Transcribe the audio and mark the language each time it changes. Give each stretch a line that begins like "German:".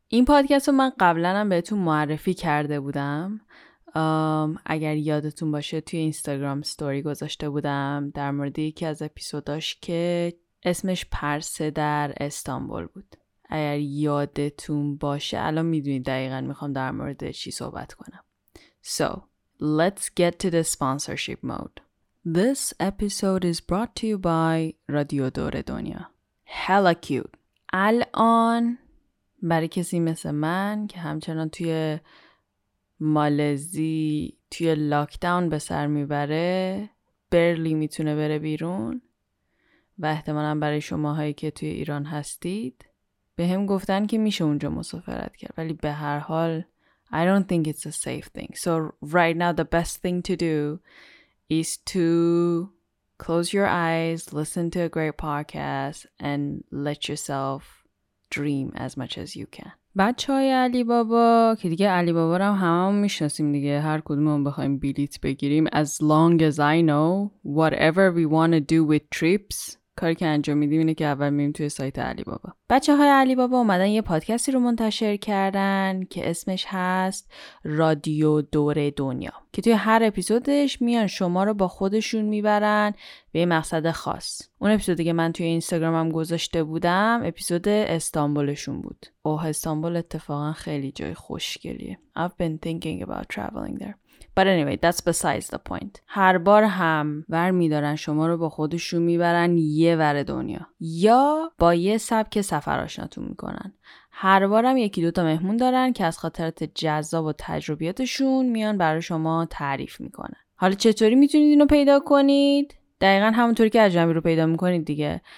Persian: این پادکست رو من قبلنم بهتون معرفی کرده بودم. اگر یادتون باشه توی اینستاگرام ستوری گذاشته بودم در مورد یکی از اپیزوداش که اسمش پرسه در استانبول بود. اگر یادتون باشه الان میدونید دقیقا میخوام در مورد چی صحبت کنم.
English: So, let's get to the sponsorship mode. This episode is brought to you by رادیو دور دنیا. Hella cute.
Persian: الان برای کسی مثل من که همچنان توی مالزی توی لاکداون به سر میبره، برلی میتونه بره بیرون و احتمالاً برای شماهایی که توی ایران هستید به هم گفتن که میشه اونجا مسافرت کرد، ولی به هر حال
English: I don't think it's a safe thing. So right now the best thing to do is to close your eyes, listen to a great podcast and let yourself dream as much as you can.
Persian: بچهای علی بابا که دیگه علی بابا رو هممون میشناسیم دیگه، هر کدوممون بخوایم بلیت بگیریم،
English: as long as I know whatever we want to do with trips،
Persian: کاری که انجام میدیم اینه که اول میریم توی سایت علی بابا. بچهای علی بابا اومدن یه پادکستی رو منتشر کردن که اسمش هست رادیو دور دنیا، که توی هر اپیزودش میان شما رو با خودشون میبرن به مقصد خاص. اون اپیزودی که من توی اینستاگرامم گذاشته بودم اپیزود استانبولشون بود. اوه، استانبول اتفاقا خیلی جای خوشگلیه.
English: I've been thinking about traveling there. But anyway, that's besides the point.
Persian: هر بار هم ور میدارن شما رو با خودشون میبرن یه ور دنیا یا با یه سبک سفر آشناتون میکنن. هر بارم یکی دوتا مهمون دارن که از خاطرات جذاب و تجربیاتشون میان برای شما تعریف میکنن. حالا چطوری میتونید اینو پیدا کنید؟ دقیقا همونطوری که اجنبی رو پیدا میکنید دیگه.